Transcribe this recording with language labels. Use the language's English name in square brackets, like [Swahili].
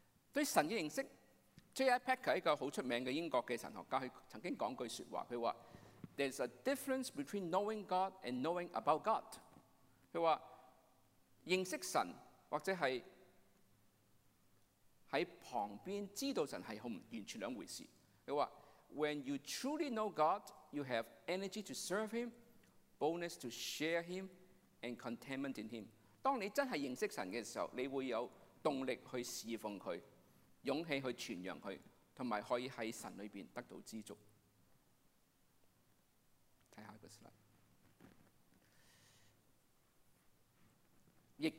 [Chinese] 对神的认识， J.I. Packer 是一个很出名的英国的神学家，他曾经讲句说话，他说 [English] There's a difference between knowing God and knowing about God。 [Chinese] 他说认识神或者是在旁边知道神是很完全两回事。他说 [English] When you truly know God, you have energy to serve Him, boldness to share Him, and contentment in Him。 [Chinese] 当你真的认识神的时候，你会有动力去侍奉祂，勇气去传扬祂，还有可以在神里面得到知足。看下一个 slide。